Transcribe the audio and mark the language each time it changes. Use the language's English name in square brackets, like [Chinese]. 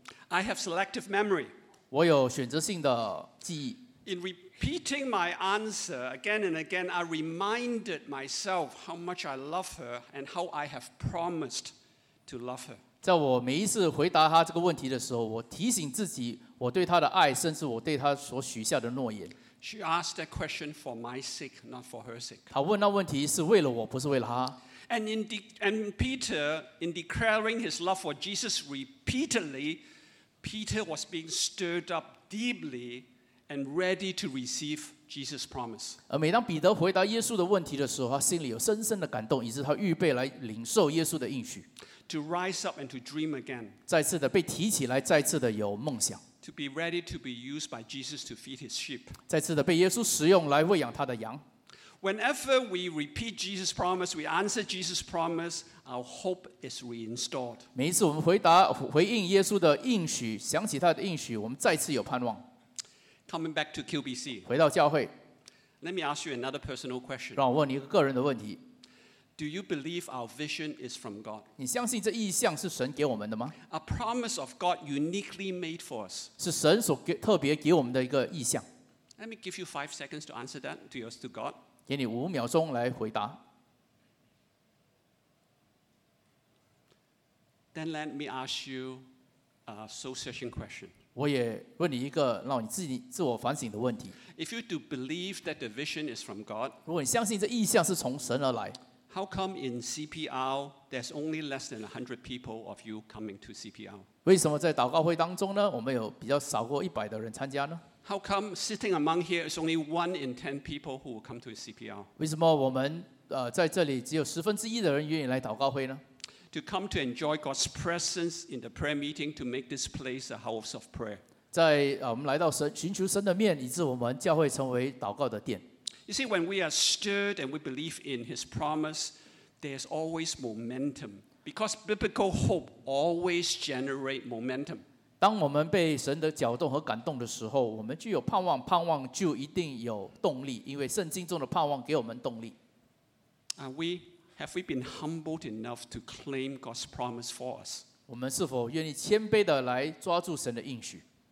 [English] I have selective memory. [Chinese] 我有选择性的记忆。 [English] In repeating my answer again and again, I reminded myself how much I love her and how I have promised to love her. [Chinese] 在我每一次回答她这个问题的时候，我提醒自己。我对他的爱，甚至我对他所许下的诺言。 [English] She asked that question for my sake, not for her sake. [Chinese] 他问那问题是为了我，不是为了他。 [English] And Peter, in declaring his love for Jesus repeatedly, Peter was being stirred up deeply and ready to receive Jesus' promise. [Chinese] 而每当彼得回答耶稣的问题的时候，他心里有深深的感动，以致他预备来领受耶稣的应许。 [English] To rise up and to dream again. [Chinese] 再次的被提起来，再次的有梦想。 [English] To be ready to be used by Jesus to feed his sheep. [Chinese] 再次的被耶稣使用来喂养他的羊。 [English] Whenever we repeat Jesus' promise, we answer Jesus' promise, our hope is reinstalled. [Chinese] 每一次我们回答回应耶稣的应许，想起他的应许，我们再次有盼望。 [English] Coming back to QBC. [Chinese] 回到教会。 [English] Let me ask you another personal question. [Chinese] 让我问你一个个人的问题。 [English] Do you believe our vision is from God? [Chinese] 你相信这意象是神给我们的吗？ [English] A promise of God uniquely made for us. [Chinese] 是神所给特别给我们的一个意象。 [English] Let me give you 5 seconds to answer that to yours to God. [Chinese] 给你五秒钟来回答。 [English] Then let me ask you a soul searching question. [Chinese] 我也问你一个让你自我反省的问题。 [English] If you do believe that the vision is from God, [Chinese] 如果你相信这意象是从神而来。 [English] How come in CPR, there's only less than 100 people of you coming to CPR? [Chinese] 为什么在祷告会当中呢？我们有比较少过100的人参加呢？ [English] How come sitting among here is only 1 in 10 people who will come to CPR? [Chinese] 为什么我们在这里只有十分之一的人愿意来祷告会呢？ [English] To come to enjoy God's presence in the prayer meeting to make this place a house of prayer. [Chinese] 在我们来到神寻求神的面，以致我们教会成为祷告的殿。 [English] You see, when we are stirred and we believe in His promise, there's always momentum. Because biblical hope always generates momentum. [Chinese] 当我们被神的搅动和感动的时候，我们就有盼望，盼望就一定有动力，因为圣经中的盼望给我们动力。 [English] Have we been humbled enough to claim God's promise for us? [Chinese] 我们是否愿意谦卑地来抓住神的应许？